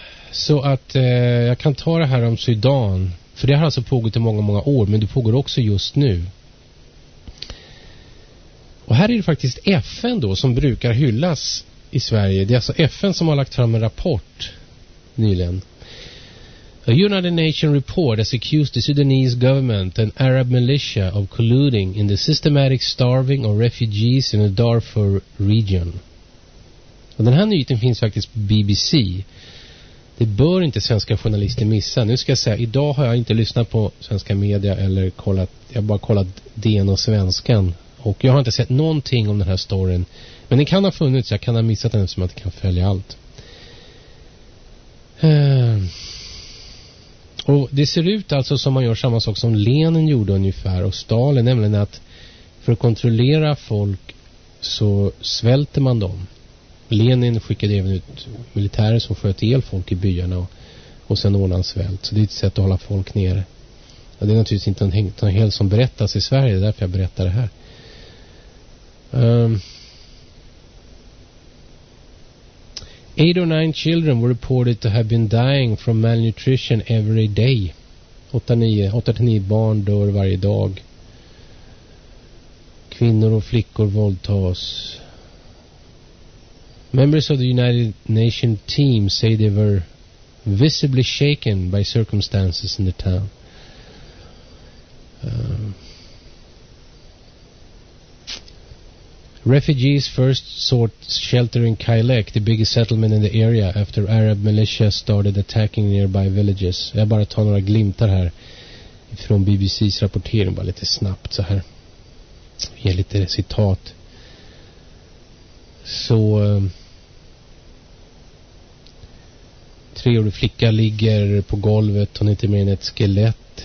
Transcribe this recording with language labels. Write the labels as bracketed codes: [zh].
[sv] Så att jag kan ta det här om Sudan. För det har alltså pågått i många, många år. Men det pågår också just nu. Och här är det faktiskt FN då som brukar hyllas i Sverige. Det är alltså FN som har lagt fram en rapport nyligen. [en] A United Nations report has accused the Sudanese government and Arab militia of colluding in the systematic starving of refugees in the Darfur region. [sv] Och den här nyheten finns faktiskt på BBC. Det bör inte svenska journalister missa. Nu ska jag säga, idag har jag inte lyssnat på svenska media eller kollat, jag har bara kollat DN och Svenskan. Och jag har inte sett någonting om den här storyn. Men den kan ha funnits, jag kan ha missat den eftersom jag inte kan följa allt. Och det ser ut alltså som man gör samma sak som Lenin gjorde ungefär och Stalin. Nämligen att för att kontrollera folk så svälter man dem. Lenin skickade även ut militärer som sköt ihjäl folk i byarna och sen ordnade svält. Så det är ett sätt att hålla folk nere. Ja, det är naturligtvis inte någon hel som berättas i Sverige. Det är därför jag berättar det här. [en] Eight or nine children were reported to have been dying from malnutrition every day. [sv] 8-9 barn dör varje dag. Kvinnor och flickor våldtas. [en] Members of the United Nations team say they were visibly shaken by circumstances in the town. Refugees first sought shelter in Kailek, the biggest settlement in the area, after Arab militia started attacking nearby villages. [sv] Jag bara tar några glimtar här från BBC:s rapportering, bara lite snabbt så här. Ge lite citat. Så... 3-årig flicka ligger på golvet. Hon är inte mer än ett skelett.